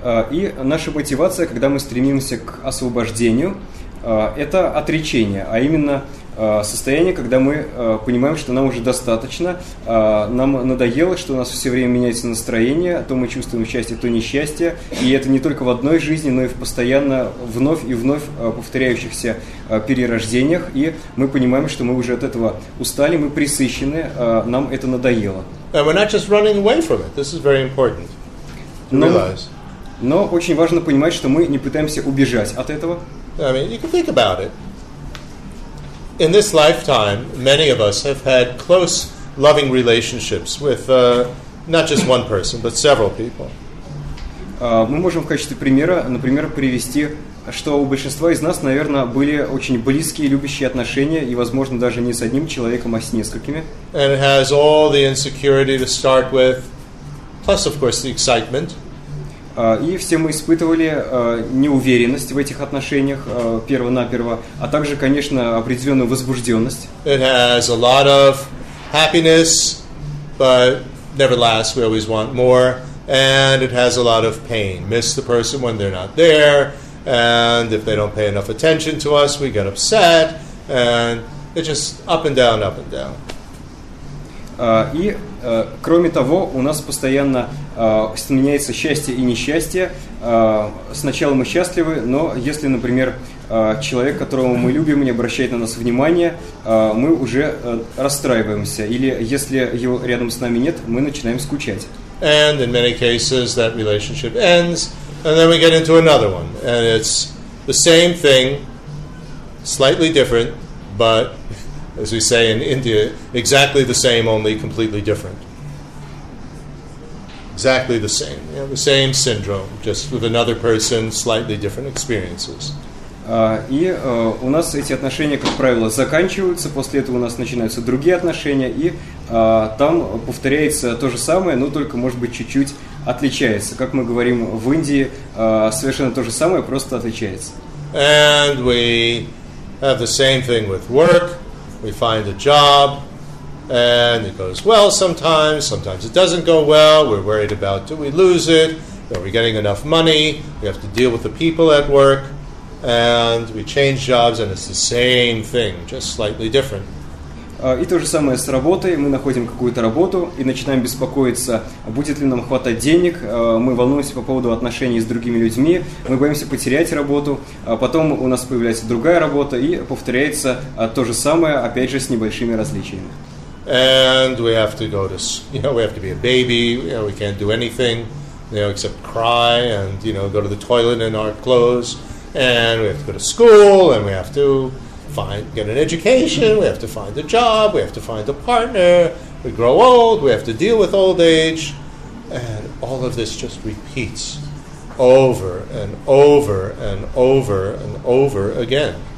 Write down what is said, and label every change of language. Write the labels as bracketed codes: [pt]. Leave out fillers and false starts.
[ru] И наша мотивация, когда мы стремимся к освобождению, это отречение, а именно состояние, когда мы понимаем, что нам уже достаточно, нам надоело, что у нас все время меняется настроение, то мы чувствуем счастье, то несчастье, и это не только в одной жизни, но и в постоянно вновь и вновь повторяющихся перерождениях, и мы понимаем, что мы уже от этого устали, мы пресыщены, нам это надоело. [en] And we're not just running away from it. This is very important to realize. [ru] Но очень важно понимать, что мы не пытаемся убежать от этого. [en] I mean, you can think about it. In this lifetime, many of us have had close, loving relationships with not just one person, but several people. [ru] Мы можем в качестве примера, например, привести, что у большинства из нас, наверное, были очень близкие, любящие отношения, и, возможно, даже не с одним человеком, а с несколькими. [en] And it has all the insecurity to start with, plus, of course, the excitement. [ru] И все мы испытывали неуверенность в этих отношениях перво-наперво, а также, конечно, определенную возбужденность. [en] It has a lot of happiness, but nevertheless, we always want more. And it has a lot of pain. Miss the person when they're not there, and if they don't pay enough attention to us, we get upset. And They're just up and down, up and down. [ru] И кроме того, у нас постоянно меняется счастье и несчастье. Сначала мы счастливы, но если, например, человек, которого мы любим, не обращает на нас внимания, мы уже расстраиваемся. Или если его рядом с нами нет, мы начинаем скучать. [en] And in many cases that relationship ends, and then we get into another one. And it's the same thing, slightly different, but, as we say in India, exactly the same, only completely different. Exactly the same. You know, the same syndrome, just with another person, slightly different experiences. [ru] И у нас эти отношения, как правило, заканчиваются, после этого у нас начинаются другие отношения, и там повторяется то же самое, но только, может быть, чуть-чуть отличается. Как мы говорим в Индии, совершенно то же самое, просто отличается. [en] And we have the same thing with work. We find a job, and it goes well sometimes, sometimes it doesn't go well, we're worried about, do we lose it, are we getting enough money, we have to deal with the people at work, and we change jobs, and it's the same thing, just slightly different. [ru] И то же самое с работой. Мы находим какую-то работу и начинаем беспокоиться, будет ли нам хватать денег. Мы волнуемся по поводу отношений с другими людьми. Мы боимся потерять работу. Потом у нас появляется другая работа и повторяется то же самое, опять же, с небольшими различиями. [en] And we have to go to, you know, we have to be a baby. You know, we can't do anything, you know, except cry and, you know, go to the toilet in our clothes. And we have to go to school and we have to get an education, we have to find a job, we have to find a partner, we grow old, we have to deal with old age, and all of this just repeats over and over and over and over again.